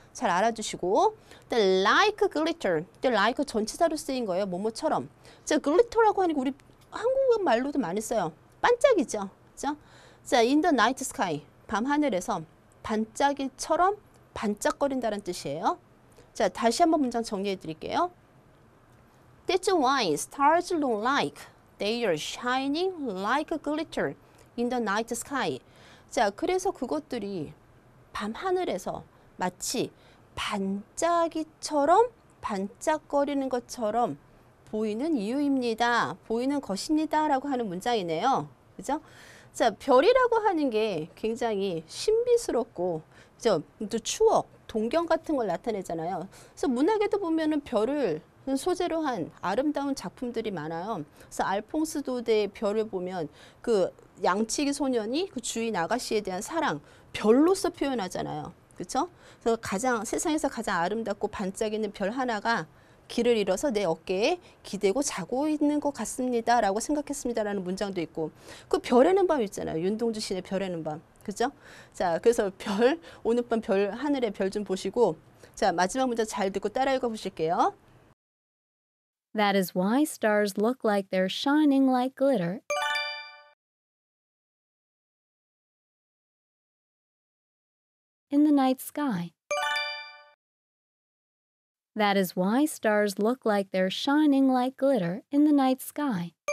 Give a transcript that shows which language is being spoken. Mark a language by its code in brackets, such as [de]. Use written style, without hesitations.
[ko] 잘 알아주시고. The like glitter. The like 전치사로 쓰인 거예요. 뭐뭐처럼. 자, glitter라고 하는 게 우리 한국어 말로도 많이 써요. 반짝이죠. 그죠? [en] 자, in the night sky. [ko] 밤하늘에서 반짝이처럼 반짝거린다는 뜻이에요. 자, 다시 한번 문장 정리해 드릴게요. [en] That's why stars look like they are shining like glitter. In the night sky. [ko] 자, 그래서 그것들이 밤하늘에서 마치 반짝이처럼 반짝거리는 것처럼 보이는 이유입니다. 보이는 것입니다. 라고 하는 문장이네요. 그죠? 자, 별이라고 하는 게 굉장히 신비스럽고, 그죠? 또 추억, 동경 같은 걸 나타내잖아요. 그래서 문학에도 보면은 별을 소재로 한 아름다운 작품들이 많아요. 그래서 알퐁스 도데의 별을 보면 그 양치기 소년이 그 주인 아가씨에 대한 사랑 별로서 표현하잖아요. 그렇죠? 그래서 가장 세상에서 가장 아름답고 반짝이는 별 하나가 길을 잃어서 내 어깨에 기대고 자고 있는 것 같습니다라고 생각했습니다라는 문장도 있고 그 별에는 밤 있잖아요. 윤동주 시인의 별에는 밤. 그렇죠? 자, 그래서 별 오늘 밤 별 하늘의 별 좀 보시고 자, 마지막 문장 잘 듣고 따라 읽어 보실게요. [en] That is why stars look like they're shining like glitter. In the night sky. That is why stars look like they're shining like glitter in the night sky.